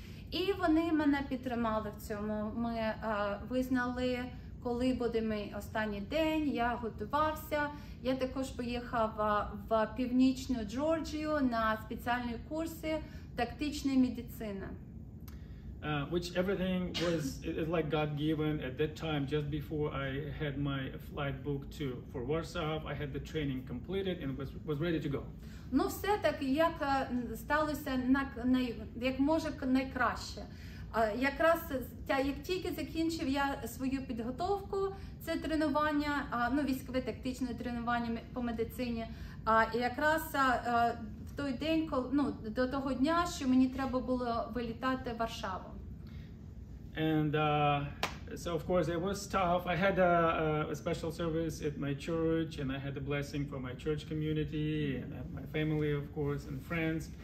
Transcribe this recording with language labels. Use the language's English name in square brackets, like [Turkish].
[Ukrainian] І вони мене підтримали в цьому, ми визнали, коли буде мій останній день, я готувався. Я також поїхав в Північну Джорджію на спеціальні курси тактичної медицини. [English] Which everything was like God-given at that time, just before I had my flight booked for Warsaw, I had the training completed and was ready to go. [Ukrainian] Ну все так, як сталося, як може найкраще. Якраз як тільки закінчив я свою підготовку, це тренування, військове тактичне тренування по медицині, в той день, до того дня, що мені треба було вилітати в Варшаву. [English] And so of course it was tough. I had a special service at my church, and I had a blessing for my church community and my family, of course, and friends.